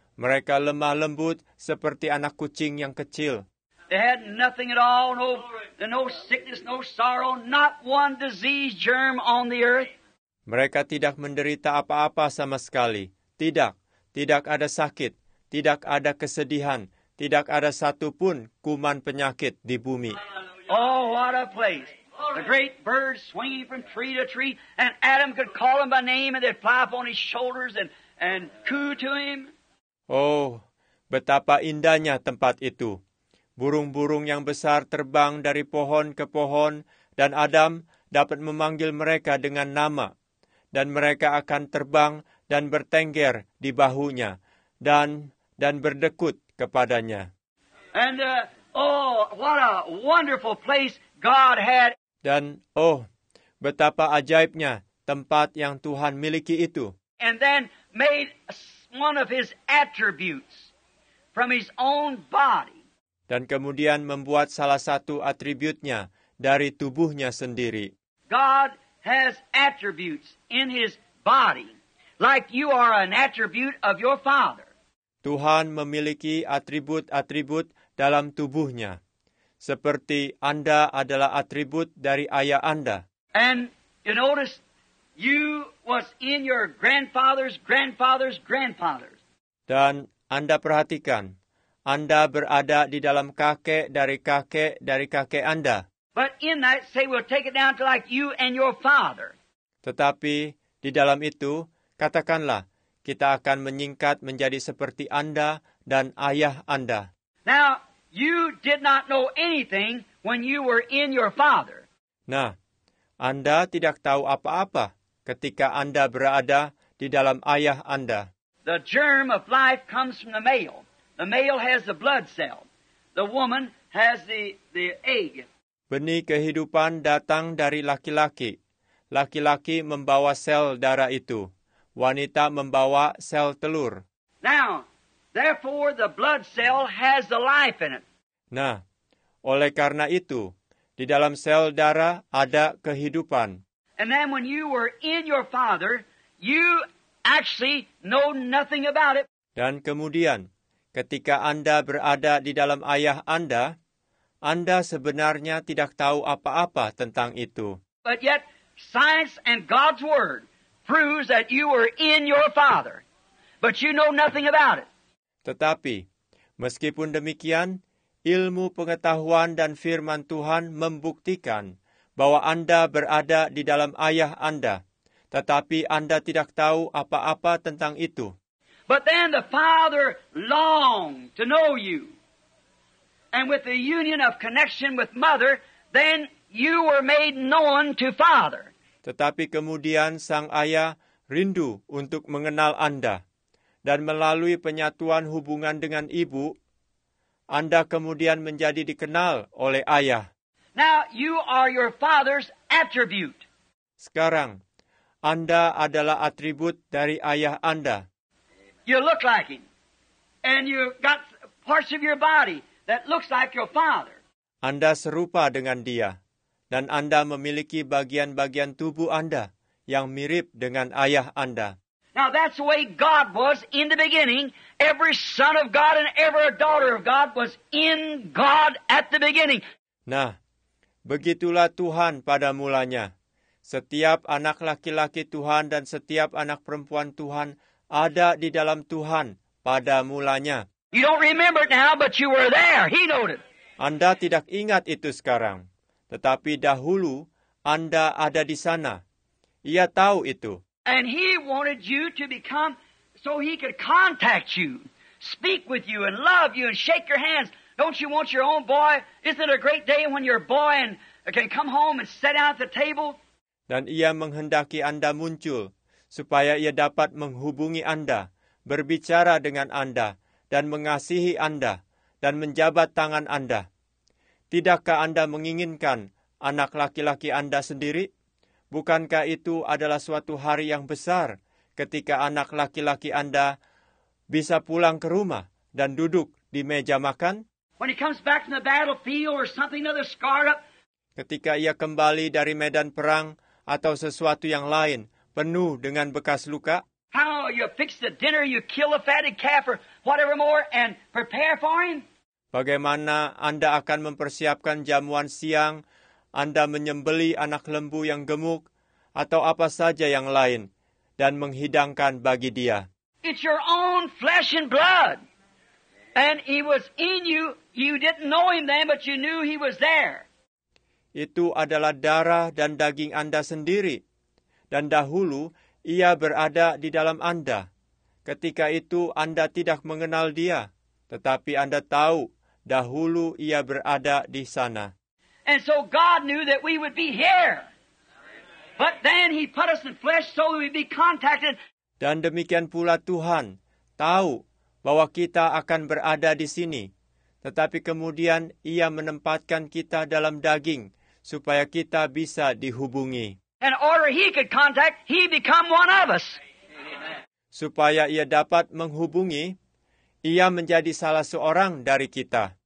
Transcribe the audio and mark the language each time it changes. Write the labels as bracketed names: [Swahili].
[Indonesian] Mereka lemah lembut seperti anak kucing yang kecil. [English] They had nothing at all, no sickness, no sorrow, not one disease germ on the earth. [Indonesian] Mereka tidak menderita apa-apa sama sekali. Tidak, tidak ada sakit, tidak ada kesedihan, tidak ada satupun kuman penyakit di bumi. [English] Oh, what a place! The great birds swinging from tree to tree, and Adam could call them by name, and they'd fly up on his shoulders and coo to him. [Indonesian] Oh, betapa indahnya tempat itu. Burung-burung yang besar terbang dari pohon ke pohon, dan Adam dapat memanggil mereka dengan nama. Dan mereka akan terbang dan bertengger di bahunya, dan berdekut kepadanya. [English] And, what a wonderful place God had. [Indonesian] Dan, oh, betapa ajaibnya tempat yang Tuhan miliki itu. [English] And then made one of his attributes from his own body. [Indonesian] Dan kemudian membuat salah satu atributnya dari tubuhnya sendiri. [English] God has attributes in his body, like you are an attribute of your father. [Indonesian] Tuhan memiliki atribut-atribut dalam tubuhnya, seperti Anda adalah atribut dari ayah Anda. [English] And you notice you was in your grandfather's grandfather's grandfather. [Indonesian] Dan Anda perhatikan, Anda berada di dalam kakek dari kakek Anda. [English] But in that, say we'll take it down to like you and your father. [Indonesian] Tetapi di dalam itu, katakanlah kita akan menyingkat menjadi seperti Anda dan ayah Anda. [English] Now, you did not know anything when you were in your father. [Indonesian] Nah, Anda tidak tahu apa-apa ketika Anda berada di dalam ayah Anda. [English] The germ of life comes from the male. The male has the blood cell. The woman has the egg. [Indonesian] Benih kehidupan datang dari laki-laki. Laki-laki membawa sel darah itu. Wanita membawa sel telur. [English] Now, therefore the blood cell has the life in it. [Indonesian] Nah, oleh karena itu, di dalam sel darah ada kehidupan. [English] And then when you were in your father, you actually know nothing about it. [Indonesian] Dan kemudian, ketika Anda berada di dalam ayah Anda, Anda sebenarnya tidak tahu apa-apa tentang itu. [English] But yet, science and God's word proves that you were in your father, but you know nothing about it. [Indonesian] Tetapi, meskipun demikian, ilmu pengetahuan dan firman Tuhan membuktikan bahwa Anda berada di dalam ayah Anda, tetapi Anda tidak tahu apa-apa tentang itu. [English] But then the father longed to know you. And with the union of connection with mother, then you were made known to father. [Indonesian] Tetapi kemudian sang ayah rindu untuk mengenal Anda. Dan melalui penyatuan hubungan dengan ibu, Anda kemudian menjadi dikenal oleh ayah. [English] Now you are your father's attribute. [Indonesian] Sekarang, Anda adalah atribut dari ayah Anda. [English] You look like him. And you've got parts of your body that looks like your father. [Indonesian] Anda serupa dengan dia, dan Anda memiliki bagian-bagian tubuh Anda yang mirip dengan ayah Anda. [English] Now that's the way God was in the beginning. Every son of God and every daughter of God was in God at the beginning. [Indonesian] Nah, begitulah Tuhan pada mulanya. Setiap anak laki-laki Tuhan dan setiap anak perempuan Tuhan ada di dalam Tuhan pada mulanya. [English] You don't remember it now, but you were there. He noted. [Indonesian] Anda tidak ingat itu sekarang, tetapi dahulu Anda ada di sana. Ia tahu itu. [English] And he wanted you to become so he could contact you, speak with you, and love you, and shake your hands. Don't you want your own boy? Isn't it a great day when your boy and can come home and sit down at the table? [Indonesian] Dan ia menghendaki Anda muncul supaya ia dapat menghubungi Anda, berbicara dengan Anda, dan mengasihi Anda, dan menjabat tangan Anda. Tidakkah Anda menginginkan anak laki-laki Anda sendiri? Bukankah itu adalah suatu hari yang besar ketika anak laki-laki Anda bisa pulang ke rumah dan duduk di meja makan? [English] When he comes back from the battlefield or something other scarred up. [Indonesian] Ketika ia kembali dari medan perang atau sesuatu yang lain penuh dengan bekas luka. [English] How you fix the dinner, you kill a fatted calf or whatever more and prepare for him? [Indonesian] Bagaimana Anda akan mempersiapkan jamuan siang, Anda menyembeli anak lembu yang gemuk, atau apa saja yang lain dan menghidangkan bagi dia. [English] It's your own flesh and blood. And he was in you. You didn't know him then, but you knew he was there. [Indonesian] Itu adalah darah dan daging Anda sendiri. Dan dahulu, ia berada di dalam Anda. Ketika itu, Anda tidak mengenal dia. Tetapi Anda tahu, dahulu ia berada di sana. [English] And so God knew that we would be here. But then he put us in flesh so we'd be contacted. [Indonesian] Dan demikian pula Tuhan tahu bahwa kita akan berada di sini. Tetapi kemudian ia menempatkan kita dalam daging supaya kita bisa dihubungi. [English] And order he could contact, he become one of us. [Indonesian] Supaya ia dapat menghubungi, ia menjadi salah seorang dari kita.